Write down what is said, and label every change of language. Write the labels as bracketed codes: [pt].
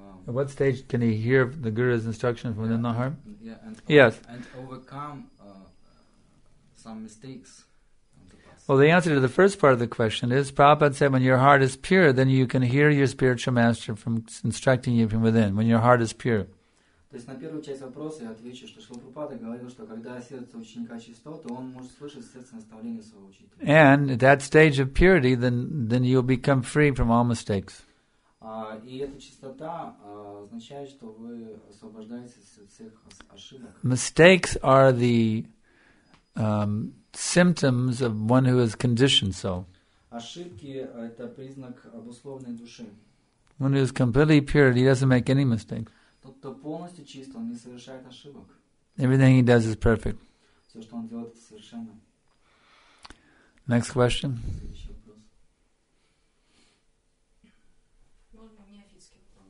[en] at what stage can he hear the guru's instruction from within the heart? Yeah, and yes. And overcome some mistakes in the past. Well, the answer to the first part of the question is, Prabhupada said, when your heart is pure, then you can hear your spiritual master from instructing you from within. When your heart is pure. [ru] То есть на первую часть вопроса я отвечу, что Шрила Прабхупада говорил, что когда сердце ученика чисто, то он может слышать сердце наставления своего учителя. [en] And at that stage of purity, then you'll become free from all mistakes. [ru] И эта чистота означает, что вы освобождаетесь от всех ошибок. [en] Mistakes are the symptoms of one who is conditioned soul. [ru] Ошибки – это признак обусловленной души. [en] One who is completely pure, he doesn't make any mistakes. [ru] Кто полностью чист, он не совершает ошибок. [en] Everything he does is perfect. [ru] Все, что он делает, это совершенно. [en] Next question. [ru] Следующий вопрос. Можно неофитский вопрос?